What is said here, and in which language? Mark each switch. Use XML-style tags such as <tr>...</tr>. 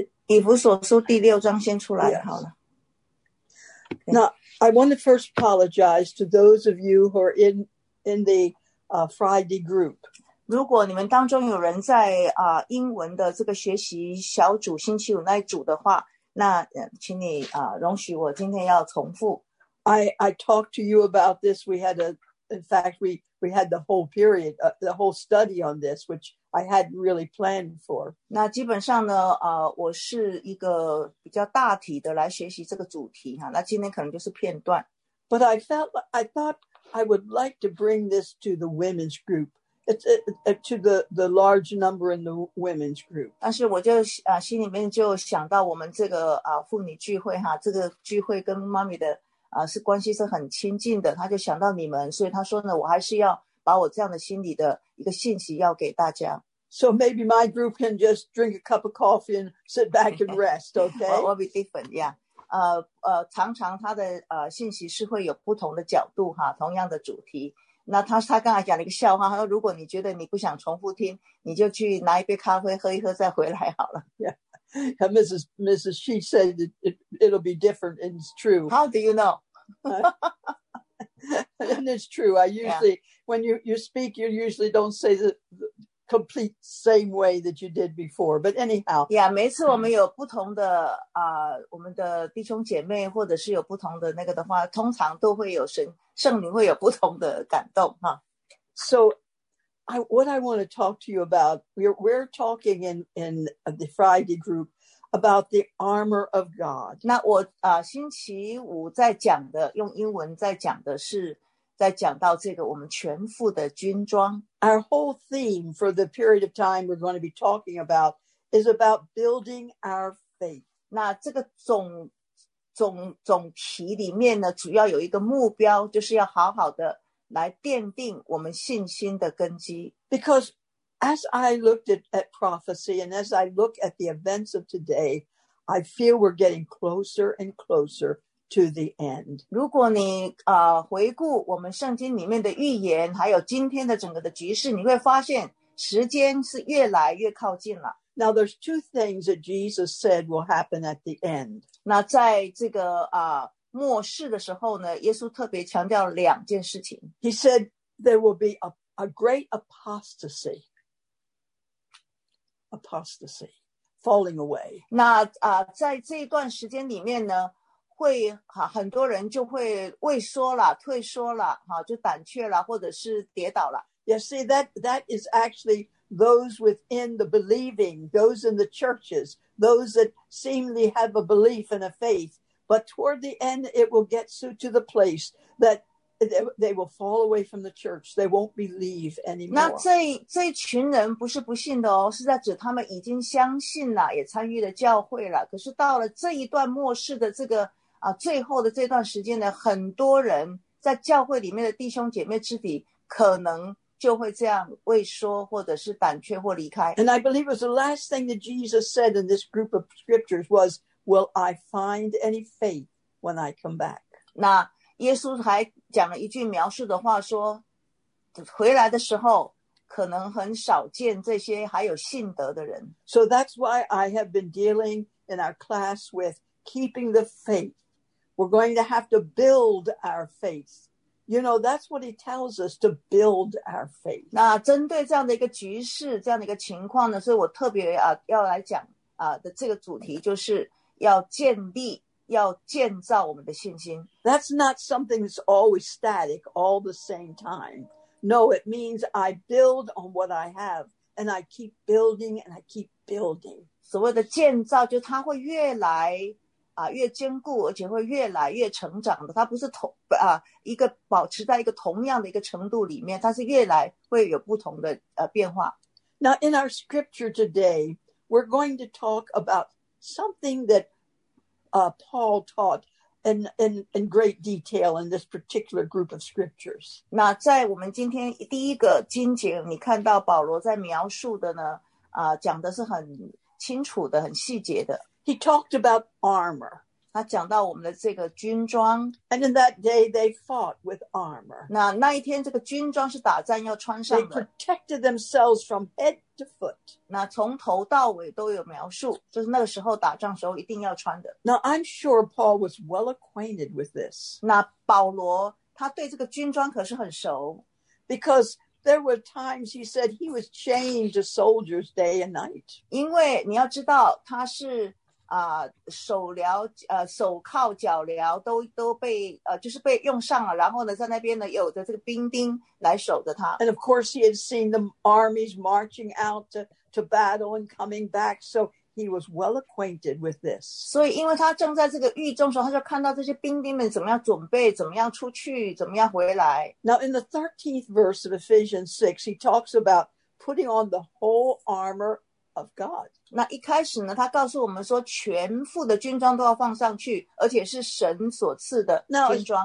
<zh>以弗所书第六章先出来好了。</zh> <en>Now, I want to first apologize to those of you who are in the Friday group.</en> <zh>如果你们当中有人在英文的这个学习小组星期五那一组的话，那请你容许我今天要重复。</zh> <en>I talked to you about this. In fact, we had the whole period, the whole study on this, which I hadn't really planned for.</en> <zh>那基本上呢，我是一个比较大体的来学习这个主题哈。那今天可能就是片段。</zh> <en>But I thought I would like to bring this to the women's group. To the large number in the women's group.</en> <zh>但是我就心里面就想到我们这个妇女聚会哈，这个聚会跟妈咪的。是关系是很亲近的，他就想到你们，所以他说呢，我还是要把我这样的心理的一个信息要给大家。</zh> <en>So maybe my group can just drink a cup of coffee and sit back and rest, okay? Well, we'll be different, yeah.</en> <zh>常常他的信息是会有不同的角度哈，同样的主题。那他刚才讲了一个笑话，他说如果你觉得你不想重复听，你就去拿一杯咖啡喝一喝再回来好了。</zh> <en>Yeah. And Mrs. She said it'll be different, and it's true. How do you know? And it's true. I usually, when you speak, you usually don't say the complete same way that you did before. But anyhow.</en> <zh>Yeah, 每次我们有不同的我们的弟兄姐妹，或者是有不同的那个的话，通常都会有圣灵会有不同的感动哈。</zh> <en>So. What I want to talk to you about, we're talking in the Friday group about the armor of God.</en> <zh>那我星期五在讲的，用英文在讲的是，在讲到这个我们全副的军装。</zh> <en>Our whole theme for the period of time we're going to be talking about is about building our faith.</en> <zh>那这个总题里面呢，主要有一个目标，就是要好好的来奠定我们信心的根基。</zh> <en>Because as I looked at prophecy and as I look at the events of today, I feel we're getting closer and closer to the end.</en> <zh>如果你回顾我们圣经里面的预言，还有今天的整个的局势，你会发现时间是越来越靠近了。</zh> <en>Now there's two things that Jesus said will happen at the end.</en> <zh>那在这个末世的时候呢，耶稣特别强调两件事情。</zh> <en>He said there will be a great apostasy. Apostasy, falling away.</en> <zh>那在这一段时间里面呢，会很多人就会畏缩了，退缩了，就胆怯了，或者是跌倒了。</zh> <en>You see, that is actually those within the believing, those in the churches, those that seemingly have a belief and a faith. But toward the end, it will get so to the place that they will fall away from the church. They won't believe anymore.</en> <zh>那这群人不是不信的哦，是在指他们已经相信了，也参与了教会了。可是到了这一段末世的这个最后的这段时间呢，很多人在教会里面的弟兄姐妹之底，可能就会这样畏缩，或者是胆怯或离开。</zh> <en>And I believe it was the last thing that Jesus said in this group of scriptures was. Will I find any faith when I come back?</en> <zh>那耶稣还讲了一句描述的话，说回来的时候可能很少见这些还有信德的人。</zh> <en>So that's why I have been dealing in our class with keeping the faith. We're going to have to build our faith. You know, that's what he tells us to build our faith.</en> <zh>那针对这样的一个局势，这样的一个情况呢，所以我特别要来讲的这个主题就是。要建立，要建造我们的信心。</zh> <en>That's not something that's always static all the same time. No, it means I build on what I have, and I keep building and I keep building.</en> <zh>所谓的建造，就它会越来越坚固，而且会越来越成长的。它不是一个保持在一个同样的一个程度里面，它是越来会有不同的变化。</zh> <en>Now, in our scripture today, we're going to talk aboutSomething that Paul taught in great detail in this particular group of scriptures.</en> <zh>那在我们今天第一个经节，你看到保罗在描述的呢，讲的是很清楚的，很细节的。</zh> <en>He talked about armor.</en> <zh>他讲到我们的这个军装。</zh> <en>And in that day they fought with armor.</en> <zh>那一天这个军装是打仗要穿上的。</zh> <en>They protected themselves from head to foot.</en> <zh>那从头到尾都有描述，就是那个时候打仗时候一定要穿的。</zh> <en>Now I'm sure Paul was well acquainted with this.</en> <zh>那保罗他对这个军装可是很熟。</zh> <en>Because there were times he said he was chained to soldiers day and night.</en> <zh>因为你要知道他是手铐脚镣都被就是被用上了，然后呢在那边呢有着这个兵丁来守着他。</zh> <en>And of course he had seen the armies marching out to battle and coming back, so he was well acquainted with this.</en> <zh>所以因为他正在这个狱中的时候，他就看到这些兵丁们怎么样准备，怎么样出去，怎么样回来。</zh> <en>Now in the 13th verse of Ephesians 6, he talks about putting on the whole armor of God.</en> <zh>那一开始呢他告诉我们说全副的军装都要放上去，而且是神所赐的军装。</zh>